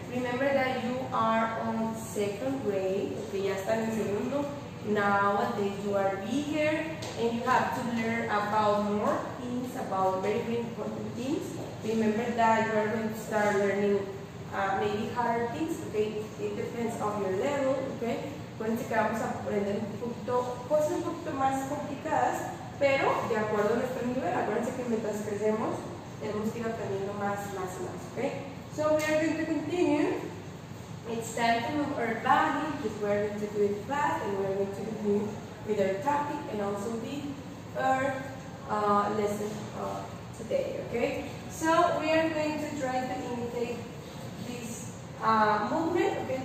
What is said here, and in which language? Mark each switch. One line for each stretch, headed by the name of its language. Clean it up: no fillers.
English: Remember that you are on second grade.
Spanish: Okay, ya están en segundo.
English: Nowadays you are bigger and you have to learn about more things, about very, very important things. Remember that you are going to start learning maybe harder things, okay? It depends on your level, okay?
Spanish: Acuérdense que vamos a aprender un poquito, cosas un poquito más complicadas, pero de acuerdo a nuestro nivel, acuérdense que mientras crecemos, tenemos que ir aprendiendo más, más, más, okay?
English: So we are going to continue. It's time to move our body, because we are going to do it flat, and we are going to continue with our topic, and also with our lesson today, okay? So we are going to try to imitate this movement, okay?